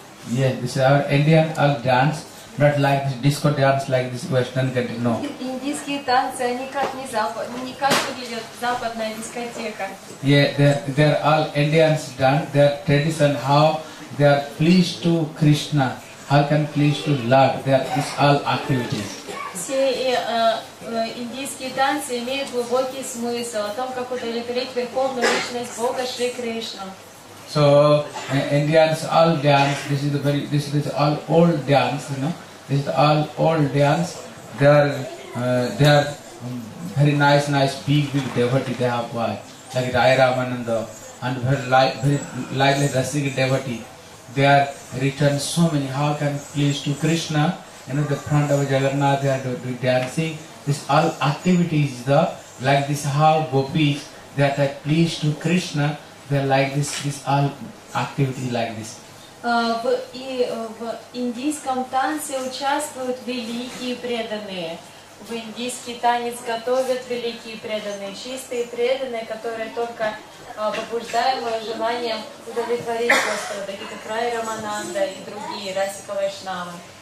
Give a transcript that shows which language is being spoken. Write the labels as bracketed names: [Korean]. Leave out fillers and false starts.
[English] Yes, this is our Indian dance, not like this disco dance like this Western country. No. [Russian] Индийские танцы они как не запад, не как выглядят западная дискотека. [English] Yeah, they're all Indians dance. Their tradition how they are pleased to Krishna, how can please to Lord. There is all activities. [Russian] Все индийские танцы имеют глубокий смысл о том, как удовлетворить верховную личность Бога Шри Кришна. [English] So Indians all dance. This is the very, this is all old dance, you know. This is all old dance. They are very nice big devotee. They have what like Rai Ramananda and very lively Rasika devotee. They are written so many. How can please to Krishna? You know, the front of Jagannath, they are doing dancing. This all activities, the like this, how gopis, they are like pleased to Krishna, they are like this, this all activity like this. [Russian] В индийском танце участвуют великие преданные. В индийский танец готовят великие преданные, чистые преданные, которые только побуждаемые желанием удовлетворить Господа, это Рай Рамананда и другие, Расика Вайшнава.